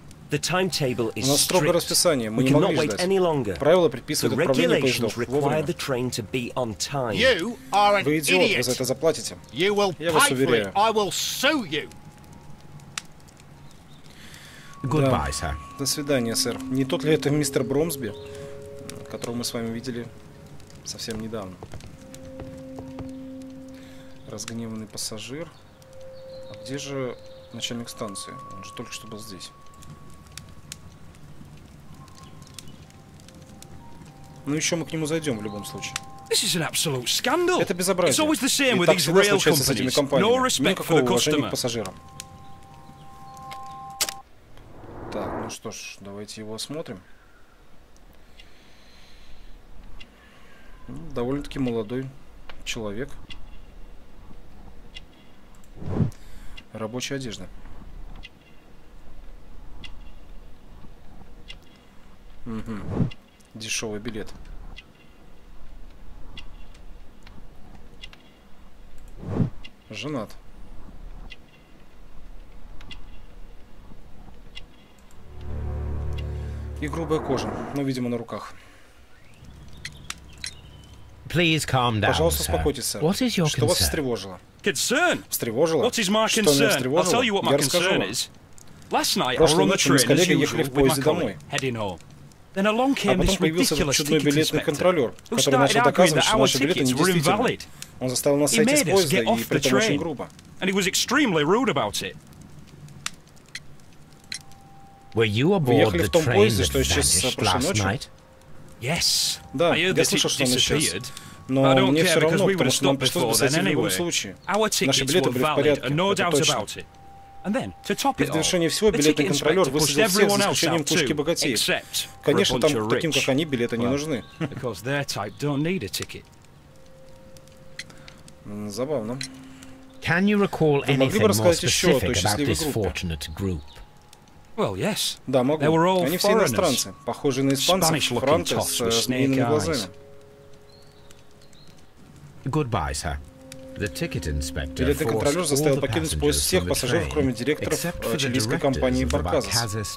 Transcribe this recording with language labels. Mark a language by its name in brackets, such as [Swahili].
[English] The timetable is strict. We cannot wait any longer. [Russian] Правила предписывают отправление поездов [English] require the train to be on time. You are an idiot. [Russian] Вы идиот, вы за это заплатите. [English] You will pay for it. I will sue you. Goodbye, sir. [Russian] До свидания, сэр. Не тот ли это мистер Бромсби, которого мы с вами видели совсем недавно? Разгневанный пассажир. А где же начальник станции? Он же только что был здесь. Ну еще мы к нему зайдем в любом случае. [English] This is an absolute scandal. [Russian] Это безобразие. [English] It's always the same with these rail companies. No respect for the customer. [Russian] Пассажирам. Так, ну что ж, давайте его осмотрим. Ну, довольно-таки молодой человек. Рабочая одежда. Угу. Дешевый билет. Женат. И грубая кожа, но, видимо, на руках. [English] Please calm down. [Russian] Пожалуйста, успокойтесь, сэр. [English] What is your [Russian] что вас встревожило? [English] Concern? [Russian] Встревожило? [English] What is my concern? [Russian] Что меня встревожило? [English] I'll tell you what my concern is. Last night I run the train as usual with my heading home. Then along came this ridiculous ticket inspector, who started arguing that our tickets were invalid. [Russian] Он заставил нас сойти с поезда, и при этом очень грубо. [English] And he was extremely rude about it. Were you aboard the train that vanished last night? Yes. [Russian] Да, я слышал, что он исчез. Но мне все равно, потому что нам пришлось бы сойти в любом случае. Наши билеты были в порядке, это точно. [English] And then, to top it all, the ticket inspector pushed everyone else out too, except for a bunch of rich. [Russian] Конечно, билеты не нужны. [English] Because their type don't need a ticket. [Russian] Забавно. [English] Can you recall anything more specific about this fortunate group? Well, yes. [Russian] Да, могу. [English] They were all foreigners. [Russian] Они все иностранцы, похожие на испанцев, франты с змеиными глазами. [English] Goodbye, sir. The ticket inspector. [Russian] Билетный контролер заставил покинуть поезд всех пассажиров, кроме директора чилийской компании Barcazas.